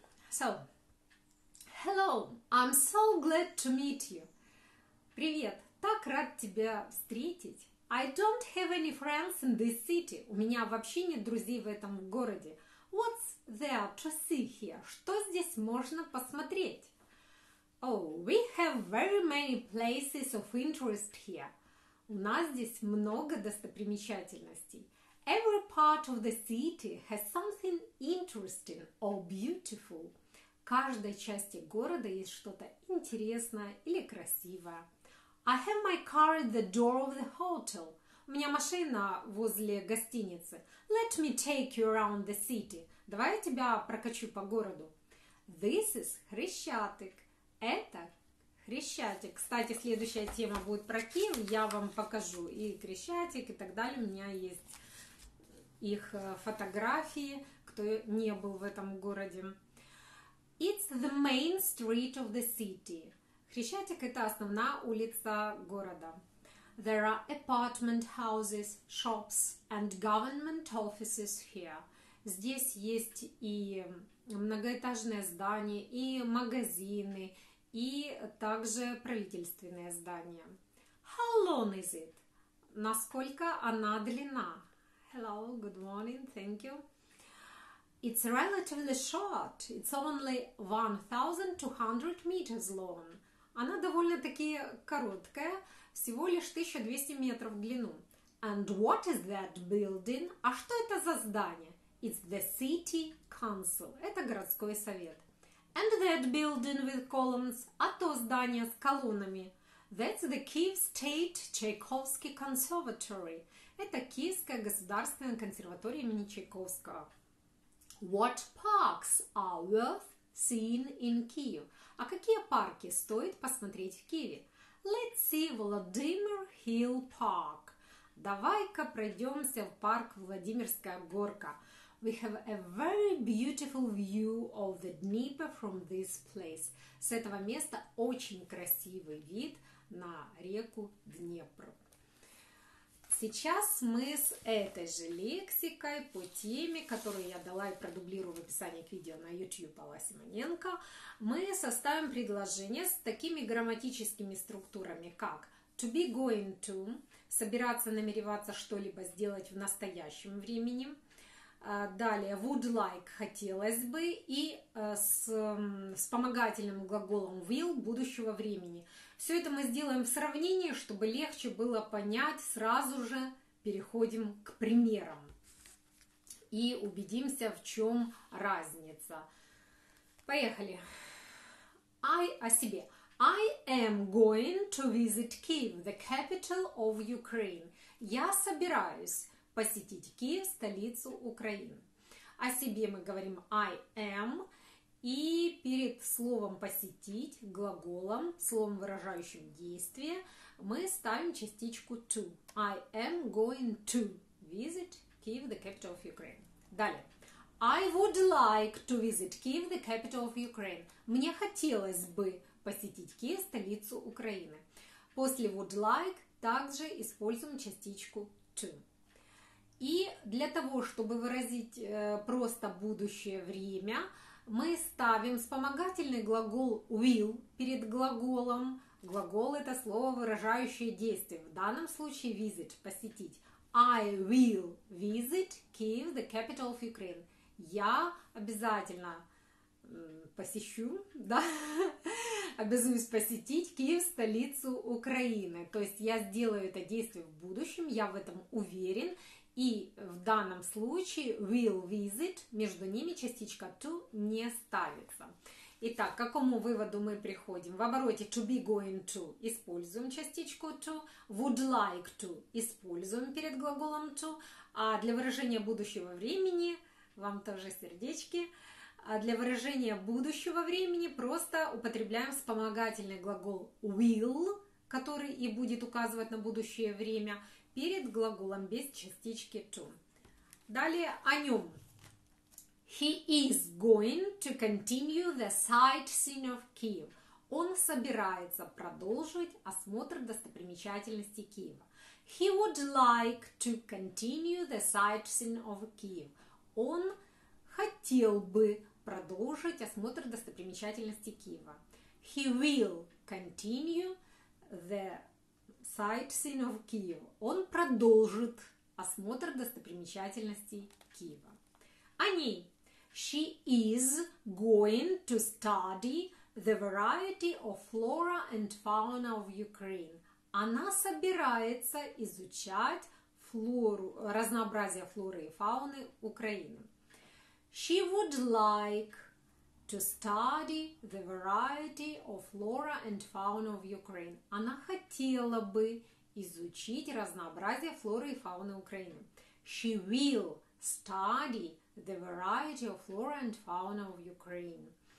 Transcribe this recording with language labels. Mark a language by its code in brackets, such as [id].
[en] So, hello, I'm so glad to meet you. [ru] Привет, так рад тебя встретить. [en] I don't have any friends in this city. [ru] У меня вообще нет друзей в этом городе. [en] What's there to see here? [ru] Что здесь можно посмотреть? [en] Oh, we have very many places of interest here. [ru] У нас здесь много достопримечательностей. [en] Every part of the city has something interesting or beautiful. [ru] В каждой части города есть что-то интересное или красивое. [en] I have my car at the door of the hotel. [ru] У меня машина возле гостиницы. [en] Let me take you around the city. [ru] Давай я тебя прокачу по городу. [en] This is [ru] Хрещатик. Это Хрещатик. Кстати, следующая тема будет про Киев. Я вам покажу и Хрещатик, и так далее. У меня есть их фотографии, кто не был в этом городе. [en] It's the main street of the city. [ru] Хрещатик – это основная улица города. [en] There are apartment houses, shops and government offices here. [ru] Здесь есть и многоэтажные здания, и магазины, и также правительственные здания. [en] How long is it? [ru] Насколько она длина? [en] Hello, good morning, thank you. It's relatively short. It's only 1200 meters long. [ru] Она довольно-таки короткая, всего лишь 1200 метров в длину. [en] And what is that building? [ru] А что это за здание? [en] It's the city council. [ru] Это городской совет. [en] And that building with columns? [ru] А то здание с колоннами? [en] That's the Kyiv State Tchaikovsky Conservatory. [ru] Это Киевская государственная консерватория имени Чайковского. [en] What parks are worth seeing in Kyiv? [ru] А какие парки стоит посмотреть в Киеве? [en] Let's see Vladimir Hill Park. [ru] Давай-ка пройдемся в парк Владимирская горка. [en] We have a very beautiful view of the Dnieper from this place. [ru] С этого места очень красивый вид на реку Днепр. Сейчас мы с этой же лексикой по теме, которую я дала и продублирую в описании к видео на YouTube Алла Симоненко, мы составим предложение с такими грамматическими структурами, как to be going to, собираться, намереваться что-либо сделать в настоящем времени, далее would like, хотелось бы, и с вспомогательным глаголом will, будущего времени. Все это мы сделаем в сравнении, чтобы легче было понять. Сразу же переходим к примерам и убедимся, в чем разница. Поехали. [en] I am going to visit Kyiv, the capital of Ukraine. [ru] Я собираюсь посетить Киев, столицу Украины. О себе мы говорим I am. И перед словом «посетить», глаголом, словом, выражающим действие, мы ставим частичку to. [en] I am going to visit Kyiv, the capital of Ukraine. [ru] Далее. [en] I would like to visit Kyiv, the capital of Ukraine. [ru] Мне хотелось бы посетить Киев, столицу Украины. После would like также используем частичку to. И для того, чтобы выразить просто будущее время, мы ставим вспомогательный глагол will перед глаголом. Глагол – это слово, выражающее действие. В данном случае visit – посетить. [en] I will visit Kyiv, the capital of Ukraine. [ru] Я обязательно посещу, да, обязуюсь посетить Киев, столицу Украины. То есть я сделаю это действие в будущем, я в этом уверен. И в данном случае will visit, между ними частичка to не ставится. Итак, к какому выводу мы приходим? В обороте to be going to используем частичку to, would like to используем перед глаголом to, а для выражения будущего времени, вам тоже сердечки, а для выражения будущего времени просто употребляем вспомогательный глагол will, который и будет указывать на будущее время, перед глаголом без частички to. Далее о нем. [en] He is going to continue the sightseeing of Kyiv. [ru] Он собирается продолжить осмотр достопримечательностей Киева. [en] He would like to continue the sightseeing of Kyiv. [ru] Он хотел бы продолжить осмотр достопримечательностей Киева. [en] He will continue the sightseeing of Kyiv. [ru] Он продолжит осмотр достопримечательностей Киева. О ней. [en] She is going to study the variety of flora and fauna of Ukraine. [ru] Она собирается изучать разнообразие флоры и фауны Украины. [en] She would like to study the variety of flora and fauna of Ukraine. [ru] Она хотела бы изучить разнообразие флоры и фауны Украины. [en] She will study the variety of flora and fauna of Ukraine.